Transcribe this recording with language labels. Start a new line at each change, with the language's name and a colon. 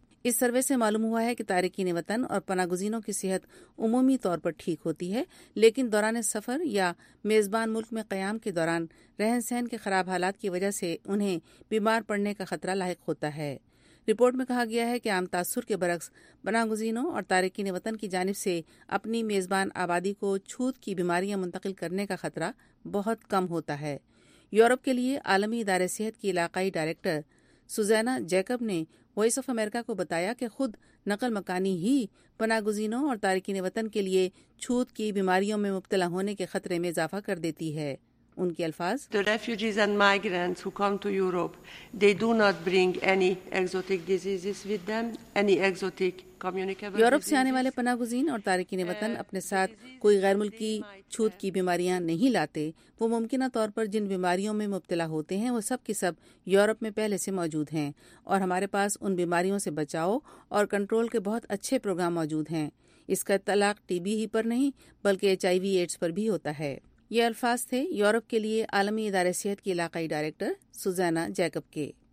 Urdu: اس survey سے معلوم ہوا ہے کہ تارکین وطن اور پناہ گزینوں کی صحت عمومی طور پر ٹھیک ہوتی ہے، لیکن دوران سفر یا میزبان ملک میں قیام کے دوران رہن سہن کے خراب حالات کی وجہ سے انہیں بیمار پڑنے کا خطرہ لاحق ہوتا ہے۔ رپورٹ میں کہا گیا ہے کہ عام تاثر کے برعکس پناہ گزینوں اور تارکین وطن کی جانب سے اپنی میزبان آبادی کو چھوت کی بیماریاں منتقل کرنے کا خطرہ بہت کم ہوتا ہے۔ یورپ کے لیے عالمی ادارے صحت کی علاقائی ڈائریکٹر سوزینا جیکب نے وائس آف امریکہ کو بتایا کہ خود نقل مکانی ہی پناہ گزینوں اور تارکین وطن کے لیے چھوت کی بیماریوں میں مبتلا ہونے کے خطرے میں اضافہ کر دیتی ہے۔ ان کے الفاظ،
English: The refugees and migrants who come to Europe, they do not bring any exotic diseases with them, any exotic communicable
Urdu: Europe سے آنے والے پناہ گزین اور تارکین وطن اپنے ساتھ کوئی غیر ملکی چھوت کی بیماریاں نہیں لاتے۔ وہ ممکنہ طور پر جن بیماریوں میں مبتلا ہوتے ہیں وہ سب کے سب یورپ میں پہلے سے موجود ہیں، اور ہمارے پاس ان بیماریوں سے بچاؤ اور کنٹرول کے بہت اچھے پروگرام موجود ہیں۔ اس کا اطلاق ٹی بی ہی پر نہیں بلکہ HIV/AIDS پر بھی ہوتا ہے۔ یہ الفاظ تھے یورپ کے لیے عالمی ادارے صحت کی علاقائی ڈائریکٹر سوزینا جیکب کے۔